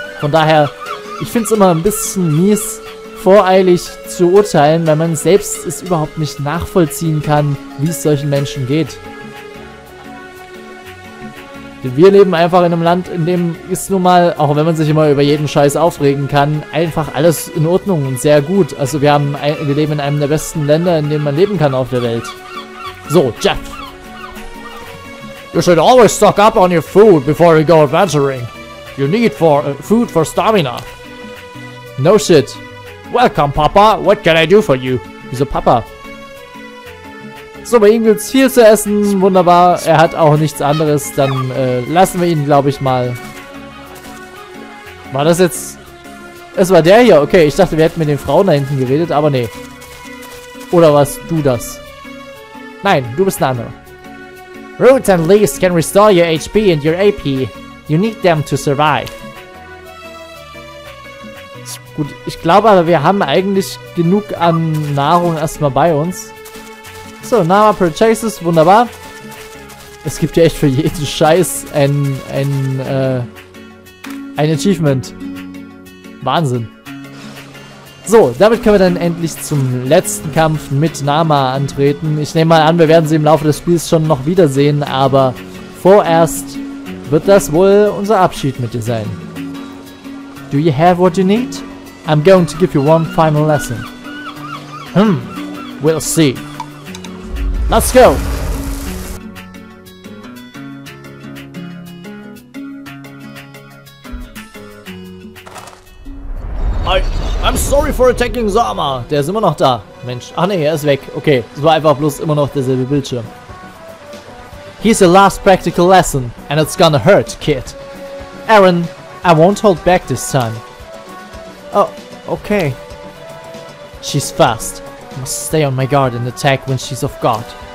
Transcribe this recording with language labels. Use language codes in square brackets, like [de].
[de] Von daher, ich find's immer ein bisschen mies, voreilig zu urteilen, weil man selbst es überhaupt nicht nachvollziehen kann, wie es solchen Menschen geht. Wir leben einfach in einem Land, in dem ist nun mal, auch wenn man sich immer über jeden Scheiß aufregen kann, einfach alles in Ordnung und sehr gut. Also wir leben in einem der besten Länder, in dem man leben kann auf der Welt. So, Jeff. [en] You should always stock up on your food before you go adventuring. You need for food for stamina. No shit. Welcome, Papa. What can I do for you? [de] Wieso Papa? So, bei ihm gibt's viel zu essen. Wunderbar. Er hat auch nichts anderes. Dann lassen wir ihn, glaube ich, mal. War das jetzt... Es war der hier. Okay, ich dachte, wir hätten mit den Frauen da hinten geredet, aber nee. Oder warst du das? Nein, du bist ein anderer. [en] Roots and leaves can restore your HP and your AP. You need them to survive. [de] Gut, ich glaube aber, wir haben eigentlich genug an Nahrung erstmal bei uns. So, Nama Purchases, wunderbar. Es gibt ja echt für jeden Scheiß ein Achievement. Wahnsinn. So, damit können wir dann endlich zum letzten Kampf mit Nama antreten. Ich nehme mal an, wir werden sie im Laufe des Spiels schon noch wiedersehen, aber vorerst wird das wohl unser Abschied mit dir sein. [en] Do you have what you need? I'm going to give you one final lesson. We'll see. Let's go! I'm sorry for attacking Zama. [de] Der ist immer noch da. Mensch. Ach ne, er ist weg. Okay, es war einfach bloß immer noch derselbe Bildschirm. [en] Here's the last practical lesson, and it's gonna hurt, kid. Aaron, I won't hold back this time. Oh, okay. She's fast. I must stay on my guard and attack when she's off guard.